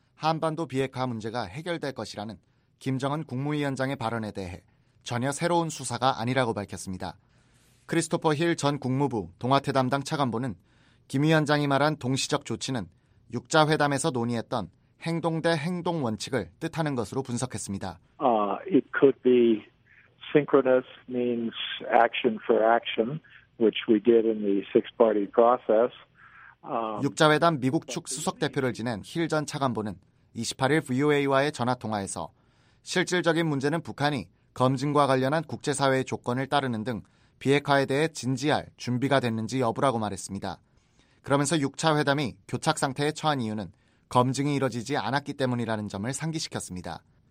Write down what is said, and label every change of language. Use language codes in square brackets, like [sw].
[ko] 한반도 비핵화 문제가 해결될 것이라는 김정은 국무위원장의 발언에 대해 전혀 새로운 수사가 아니라고 밝혔습니다. 크리스토퍼 힐 전 국무부 동아태 담당 차관보는 김 위원장이 말한 동시적 조치는 육자회담에서 논의했던 행동 대 행동 원칙을 뜻하는 것으로 분석했습니다. [en] It could be synchronous means action for action, which we did in the six-party process. [ko] 육자회담 미국 측 수석 대표를 지낸 힐 전 차관보는 28일 VOA와의 전화 통화에서 실질적인 문제는 북한이 검증과 관련한 국제사회의 조건을 따르는 등 비핵화에 대해 진지할 준비가 됐는지 여부라고 말했습니다. 그러면서 6차 회담이 교착상태에 처한 이유는 검증이 이뤄지지 않았기 때문이라는 점을 상기시켰습니다.